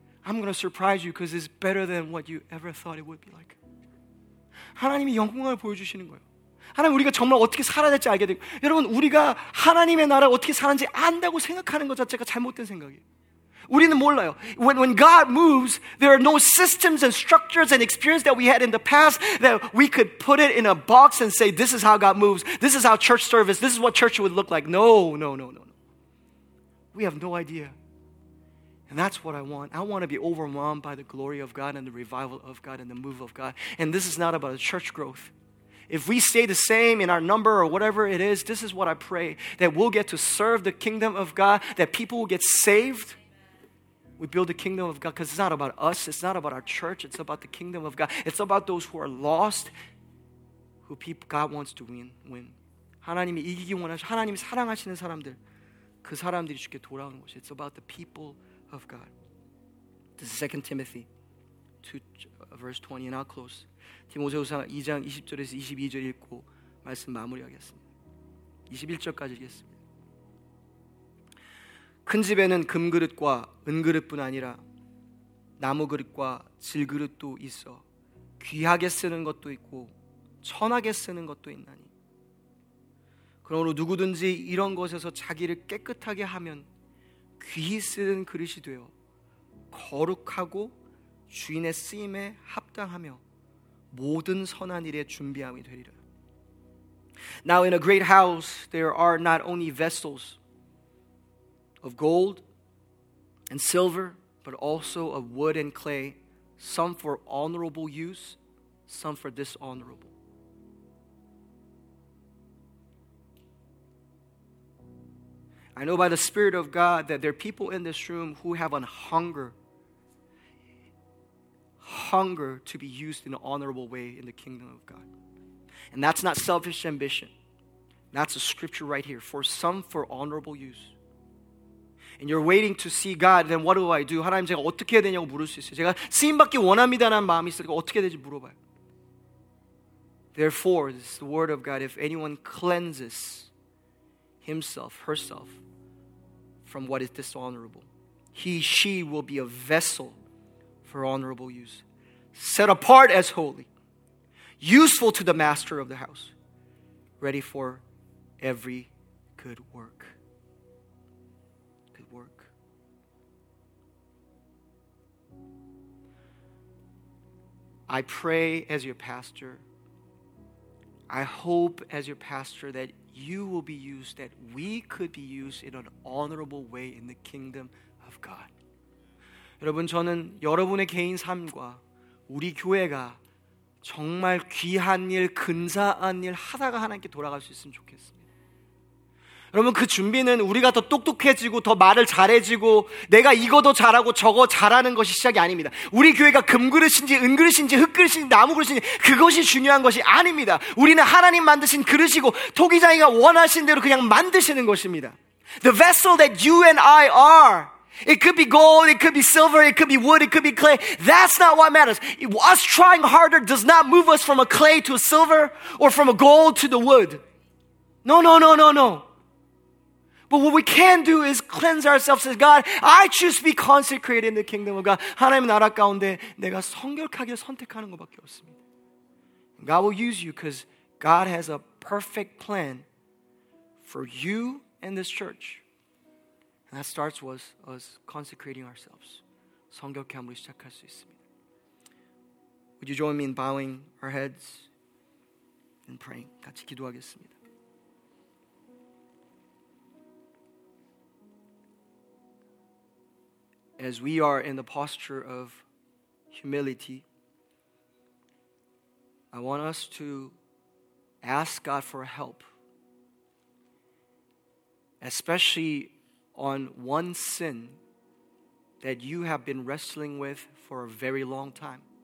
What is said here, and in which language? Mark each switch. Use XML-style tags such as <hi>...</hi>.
<en>I'm going to surprise you because it's better than what you ever thought it would be like.</en> <ko>하나님이 영광을 보여주시는 거예요. 하나님 우리가 정말 어떻게 살아야 될지 알게 되고 여러분 우리가 하나님의 나라를 어떻게 사는지 안다고 생각하는 것 자체가 잘못된 생각이에요. 우리는 몰라요.</ko> <en>When God moves, there are no systems and structures and experience that we had in the past that we could put it in a box and say, this is how God moves, this is how church service, this is what church would look like. No. We have no idea. And that's what I want. I want to be overwhelmed by the glory of God and the revival of God and the move of God. And this is not about a church growth. If we stay the same in our number or whatever it is, this is what I pray, that we'll get to serve the kingdom of God, that people will get saved. We build the kingdom of God because it's not about us. It's not about our church. It's about the kingdom of God. It's about those who are lost, who people, God wants to win.</en> <ko>하나님이 이기기 원하시, 하나님이 사랑하시는 사람들, 그 사람들이 주께 돌아오는 것이.</ko> <en>It's about the people of God. This is 2 Timothy 2, verse 20, and I'll close.</en> <ko>디모데후서 2장 20절에서 22절 읽고 말씀 마무리하겠습니다. 21절까지 읽겠습니다. 큰 집에는 금그릇과 은그릇뿐 아니라 나무그릇과 질그릇도 있어 귀하게 쓰는 것도 있고 천하게 쓰는 것도 있나니 그러므로 누구든지 이런 것에서 자기를 깨끗하게 하면 귀히 쓰는 그릇이 되어 거룩하고 주인의 쓰임에 합당하며 모든 선한 일에 준비함이 되리라.</ko> <en>Now in a great house there are not only vessels of gold and silver, but also of wood and clay, some for honorable use, some for dishonorable. I know by the Spirit of God that there are people in this room who have a hunger to be used in an honorable way in the kingdom of God. And that's not selfish ambition. That's a scripture right here. For some for honorable use. And you're waiting to see God, then what do I do?</en> <ko>하나님 제가 어떻게 해야 되냐고 물을 수 있어요. 제가 쓰임받기 원합니다라는 마음이 있으니까 어떻게 해야 되지 물어봐요.</ko> <en>Therefore, this is the word of God, if anyone cleanses himself, herself, from what is dishonorable, he, she will be a vessel for honorable use, set apart as holy, useful to the master of the house, ready for every good work. I pray as your pastor, I hope as your pastor that you will be used, that we could be used in an honorable way in the kingdom of God.</en> <ko>여러분, 저는 여러분의 개인 삶과 우리 교회가 정말 귀한 일, 근사한 일 하다가 하나님께 돌아갈 수 있으면 좋겠습니다. 여러분 그 준비는 우리가 더 똑똑해지고 더 말을 잘해지고 내가 이거도 잘하고 저거 잘하는 것이 시작이 아닙니다. 우리 교회가 금그릇인지 은그릇인지 흙그릇인지 나무그릇인지 그것이 중요한 것이 아닙니다. 우리는 하나님 만드신 그릇이고 토기장이가 원하신 대로 그냥 만드시는 것입니다.</ko> <en>The vessel that you and I are, it could be gold, it could be silver, it could be wood, it could be clay. That's not what matters. Us trying harder does not move us from a clay to a silver or from a gold to the wood. No. But what we can do is cleanse ourselves as God. I choose to be consecrated in the kingdom of God.</en> <ko>하나님 나라 가운데 내가 성결하게 선택하는 것밖에 없습니다.</ko> <en>God will use you because God has a perfect plan for you and this church. And that starts with us consecrating ourselves.</en> <ko>성결함으로 시작할 수 있습니다.</ko> <en>Would you join me in bowing our heads and praying?</en> <ko>같이 기도하겠습니다.</ko> <en>As we are in the posture of humility, I want us to ask God for help, especially on one sin that you have been wrestling with for a very long time.</en>